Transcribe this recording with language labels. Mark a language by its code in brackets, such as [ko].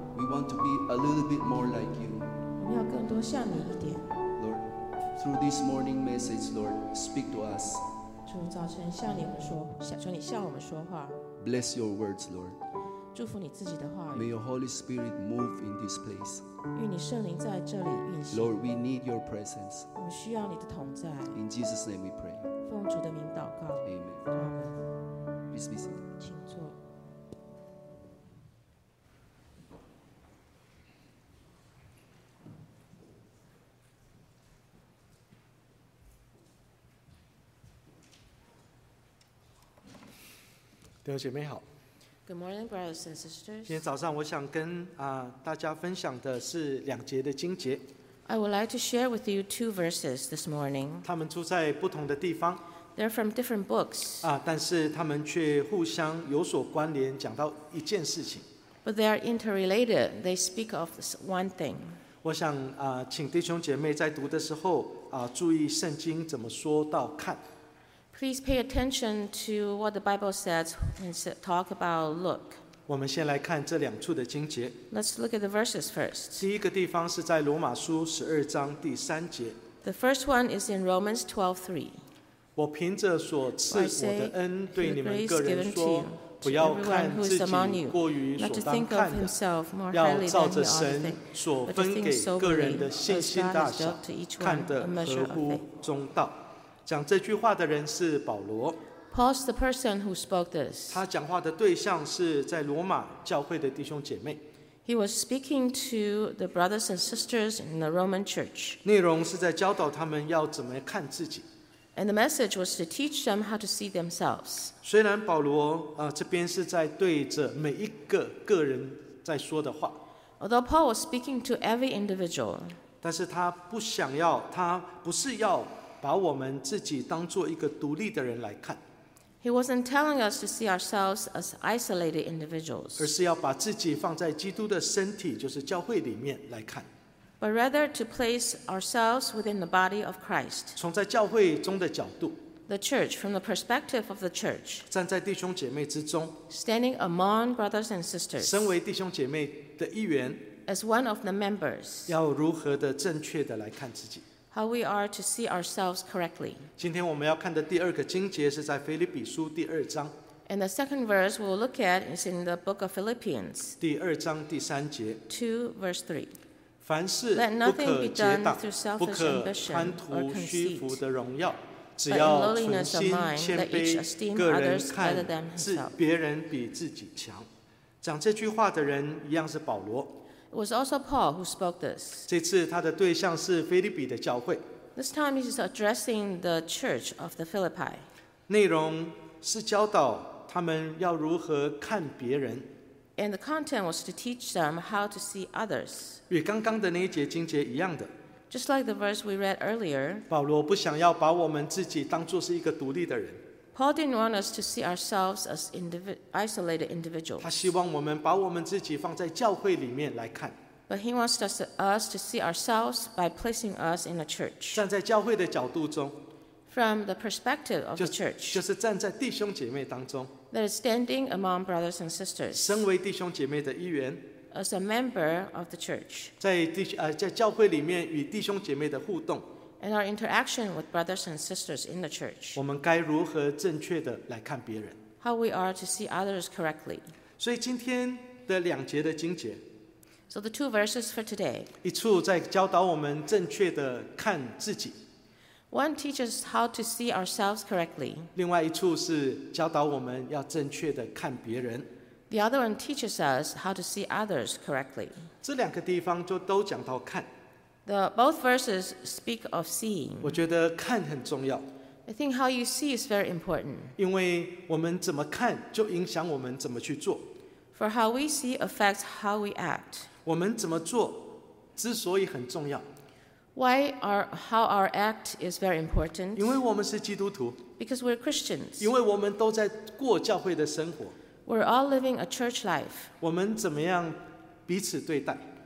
[en] We want to be a little bit more like you. [zh] 我们要更多像你一点。 [en] Lord, through this morning message, Lord, speak to us. [zh] 主，早晨向你们说，求你向我们说话。 [en] Bless your words, Lord. [zh] 祝福你自己的话语。 [en] May your Holy Spirit move in this place. [zh] 愿你圣灵在这里运行。 [en] Lord, we need your presence. [zh] 我们需要你的同在。 [en] In Jesus' name, we pray. [zh] 奉主的名祷告。 [en] Amen. Amen. Please be seated. [zh] 请坐。弟兄姐妹好。 [en] Good morning, brothers and sisters. [zh] 今天早上我想跟大家分享的是两节的经节。 [en] I would like to share with you two verses this morning. [zh] 他们住在不同的地方。 [en] They're from different books. [zh] 但是他们却互相有所关联，讲到一件事情。 [en] But they are interrelated. They speak of one thing. [zh] 我想请弟兄姐妹在读的时候注意圣经怎么说到看。 [en] Please pay attention to what the Bible says and talk about look. [zh] 我们先来看这两处的经节。 [en] Let's look at the verses first. [zh] 第一个地方是在罗马书十二章第三节。 [en] The first one is in Romans 12:3. [zh] 我凭着所赐我的恩对你们个人说，不要看自己过于所当看的，要照着神所分给个人的信心大小，看得合乎中道。讲这句话的人是保罗。 [en] Paul's the person who spoke this. [zh] 他讲话的对象是在罗马教会的弟兄姐妹。 [en] He was speaking to the brothers and sisters in the Roman church. [zh] 内容是在教导他们要怎么看自己。 [en] And the message was to teach them how to see themselves. [zh] 虽然保罗这边是在对着每一个个人在说的话。 [en] Although Paul was speaking to every individual. [zh] 但是他不想要，他不是要把我们自己当作一个独立的人来看。 [en] He wasn't telling us to see ourselves as isolated individuals. [zh] 而是要把自己放在基督的身体，就是教会里面来看。 [en] But rather to place ourselves within the body of Christ. [zh] 从在教会中的角度。 [en] The church, from the perspective of the church. [zh] 站在弟兄姐妹之中。 [en] Standing among brothers and sisters. [zh] 身为弟兄姐妹的一员。 [en] As one of the members. [zh] 要如何的正确的来看自己。 [en] How we are to see ourselves correctly. [zh] 今天我们要看的第二个经节是在腓立比书第二章。 [en] And the second verse we'll look at is in the book of Philippians. [zh] 第二章第三节。 [en] 2:3. [zh] 凡事不可结党，不可贪图虚浮的荣耀，只要存心谦卑，个人看重别人更重。 [en] But in lowliness of mind, let each esteem others rather than himself. [zh] 别人比自己强。讲这句话的人一样是保罗。 [en] It was also Paul who spoke this. [zh] 这次他的对象是腓立比的教会。 [en] This time he is addressing the church of the Philippi. [zh] 内容是教导他们要如何看别人。 [en] And the content was to teach them how to see others. [zh] 与刚刚的那一节经节一样的。 [en] Just like the verse we read earlier. [zh] 保罗不想要把我们自己当作是一个独立的人。 [en] Paul didn't want us to see ourselves as isolated individuals. [zh] 他希望我们把我们自己放在教会里面来看。 [en] But he wants us to see ourselves by placing us in a church. [zh] 站在教会的角度中。 [en] From the perspective of the church. [zh] 就是站在弟兄姐妹当中。 [en] That is standing among brothers and sisters. [zh] 身为弟兄姐妹的一员。 [en] As a member of the church. [zh] 在教会里面与弟兄姐妹的互动。 [en] And our interaction with brothers and sisters in the church. [zh] 我们该如何正确的来看别人？ [en] How we are to see others correctly. [zh] 所以今天的两节的经节。 [en] So the two verses for today. [zh] 一处在教导我们正确的看自己。 [en] One teaches how to see ourselves correctly. [zh] 另外一处是教导我们要正确的看别人。 [en] The other one teaches us how to see others correctly. [zh] 这两个地方就都讲到看。 [en] Both verses speak of seeing. [zh] 我觉得看很重要。 [en] I think how you see is very important. [zh] 因为我们怎么看，就影响我们怎么去做。 [en] For how we see affects how we act. [zh] 我们怎么做，之所以很重要。 [en] Why how our act is very important? [zh] 因为我们是基督徒。 [en] Because we're Christians. [zh] 因为我们都在过教会的生活。 [en] We're all living a church life. [zh] 我们怎么样彼此对待。